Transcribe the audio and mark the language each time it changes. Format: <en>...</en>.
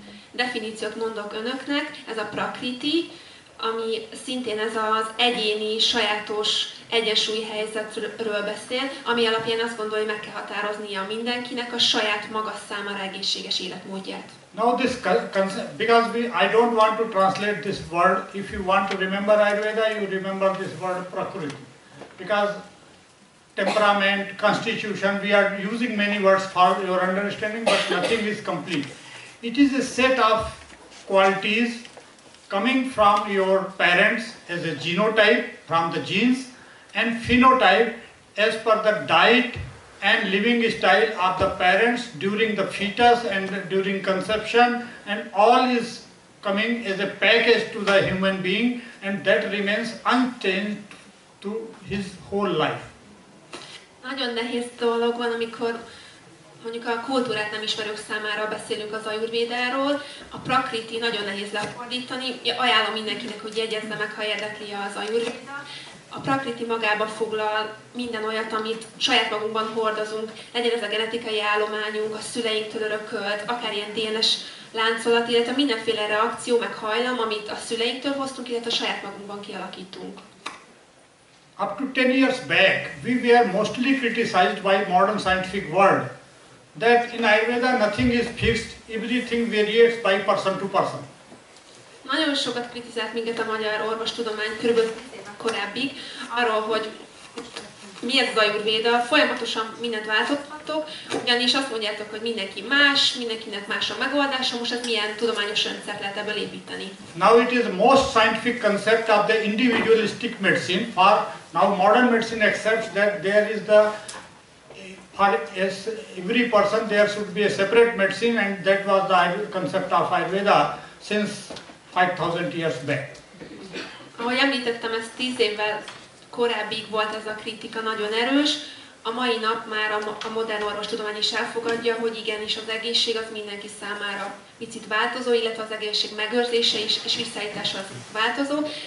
<hu>Definíciót mondok önöknek, ez a prakriti, ami szintén ez az egyéni, sajátos egyensúlyhelyzetről beszél, ami alapján azt gondolja, hogy meg kell határoznia mindenkinek a saját maga számára egészséges életmódját.</hu> <en>Now this concept, because we, I don't want to translate this word, if you want to remember Ayurveda, you remember this word prakriti. Because temperament, constitution, we are using many words for your understanding, but nothing is complete. It is a set of qualities coming from your parents as a genotype from the genes and phenotype as per the diet and living style of the parents during the fetus and during conception, and all is coming as a package to the human being, and that remains unchanged to his whole life.</en> <hu>Nagyon nehéz dolog van, amikor mondjuk a kultúrát nem ismerők számára beszélünk az Ayurvédáról. A prakriti nagyon nehéz lefordítani. Ajánlom mindenkinek, hogy jegyezze meg, ha érdekli az Ayurvéda. A prakriti magába foglal minden olyat, amit saját magunkban hordozunk. Legyen ez a genetikai állományunk, a szüleinktől örökölt, akár ilyen DNS láncolat, illetve mindenféle reakció, meg hajlam, amit a szüleinktől hoztunk, illetve a saját magunkban kialakítunk.</hu> <en>Up to 10 years back, we were mostly criticized by modern scientific world. That in Ayurveda nothing is fixed, everything varies by person to person.</en> <hu>Nagyon sokat kritizált minket a magyar orvostudomány körülbelül 10 évvel korábbig, arról, hogy mi ez az Ayurveda, folyamatosan mindent változtattok, ugyanis azt mondjátok, hogy mindenki más, mindenkinek más a megoldása, most ez milyen tudományos rendszert lehet ebből építeni.</hu> <en>Now it is the most scientific concept of the individualistic medicine, for now modern medicine accepts that there is the for yes, every person there should be a separate medicine, and that was the concept of Ayurveda since 5000 years back.</en> <hu>Ahogy említettem, ez 10 évvel korábbig volt ez a kritika nagyon erős. A mai nap már a modern orvostudomány is elfogadja, hogy igenis az egészség az mindenki számára picit változó, illetve az egészség megőrzése is és visszaállítása az változó.</hu>